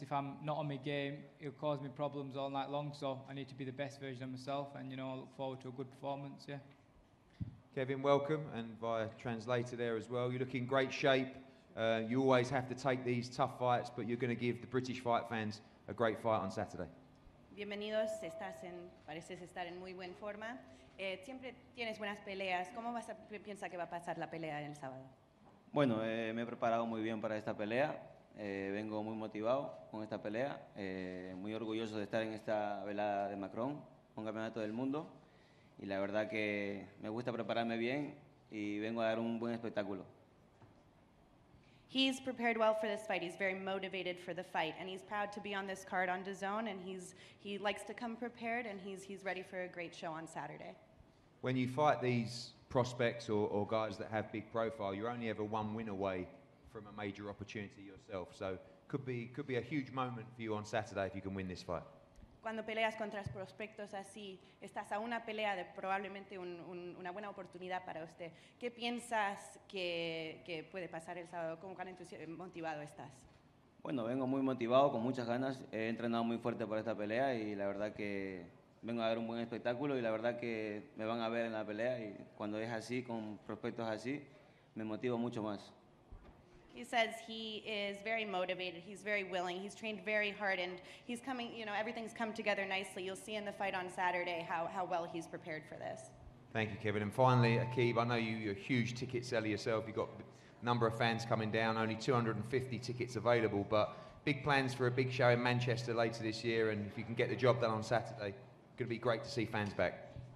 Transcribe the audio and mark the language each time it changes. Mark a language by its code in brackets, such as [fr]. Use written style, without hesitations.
[en] If I'm not on my game, he'll cause me problems all night long. So I need to be the best version of myself. And, you know, I look forward to a good performance, yeah. Kevin, welcome. And via translator there as well. You look in great shape. You always have to take these tough fights, but you're going to give the British fight fans a great fight on Saturday. [es] Bienvenidos, estás en, pareces estar en muy buen forma. Siempre tienes buenas peleas. ¿Cómo vas a piensa que va a pasar la pelea el sábado? Bueno, me he preparado muy bien para esta pelea. Vengo muy motivado con esta pelea. Muy orgulloso de estar en esta velada de Macron, un campeonato del mundo. Y la verdad que me gusta prepararme bien y vengo a dar un buen espectáculo. [en] He's prepared well for this fight. He's very motivated for the fight, and he's proud to be on this card on DAZN, and he likes to come prepared, and he's ready for a great show on Saturday. When you fight these prospects or guys that have big profile, you're only ever one win away from a major opportunity yourself. So could be a huge moment for you on Saturday if you can win this fight. [es] Cuando peleas contra prospectos así, estás a una pelea de probablemente una buena oportunidad para usted. ¿Qué piensas que puede pasar el sábado? ¿Cómo tan motivado estás? Bueno, vengo muy motivado, con muchas ganas. He entrenado muy fuerte para esta pelea y la verdad que vengo a ver un buen espectáculo y la verdad que me van a ver en la pelea y cuando es así, con prospectos así, me motivo mucho más. [en] He says he is very motivated, he's very willing, he's trained very hard, and he's coming, you know, everything's come together nicely. You'll see in the fight on Saturday how well he's prepared for this. Thank you, Kevin. And finally, AQIB, I know you're a huge ticket seller yourself. You've got a number of fans coming down, only 250 tickets available, but big plans for a big show in Manchester later this year, and if you can get the job done on Saturday, it's going to be great to see fans back.